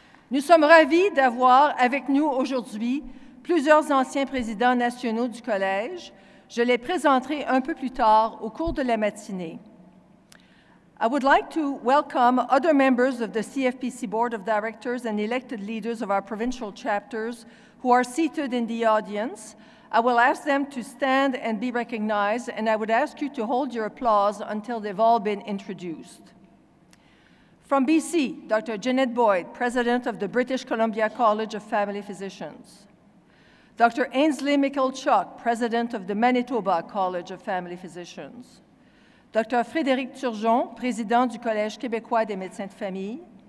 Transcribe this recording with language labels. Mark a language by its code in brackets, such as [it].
[fr] Nous sommes ravis d'avoir avec nous aujourd'hui plusieurs anciens présidents nationaux du Collège. Je les présenterai un peu plus tard au cours de la matinée. [en] I would like to welcome other members of the CFPC Board of Directors and elected leaders of our provincial chapters who are seated in the audience. I will ask them to stand and be recognized, and I would ask you to hold your applause until they've all been introduced. From BC, Dr. Jeanette Boyd, President of the British Columbia College of Family Physicians. Dr. Ainsley Mikulchuk, President of the Manitoba College of Family Physicians. Dr. [fr] Frédéric Turgeon, President du Collège québécois des médecins de famille.